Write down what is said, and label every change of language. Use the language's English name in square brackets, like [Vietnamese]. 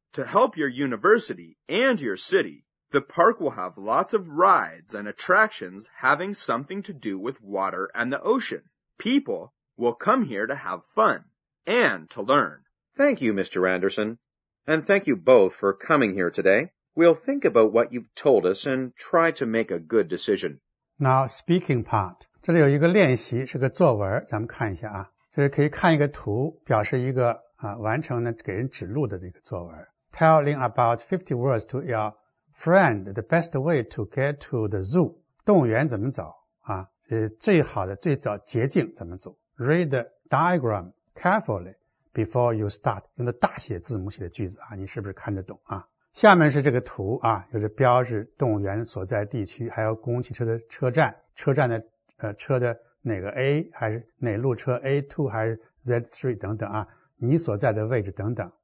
[English] To help your university and your city,The park will have lots of rides and attractions having something to do with water and the ocean. People will come here to have fun and to learn. Thank you, Mr. Anderson, and thank you both for coming here today. We'll think about what you've told us and try to make a good decision. Now, speaking part. [Chinese] 这里有一个练习，是个作文，咱们看一下啊。就是可以看一个图，表示一个完成呢给人指路的这个作文。 [English] Telling about 50 words to your... Friend, the best way to get to the zoo. [Chinese] 动物园怎么走啊？最好的最早捷径怎么走 [English] ?Read the diagram carefully before you start. [Chinese] 用的大写字母写的句子啊，你是不是看得懂啊？下面是这个图啊，有着标志动物园所在地区，还有公共汽车的车站，车站的车的哪个 A 还是哪路车 A2 还是 Z3 等等啊，你所在的位置等等。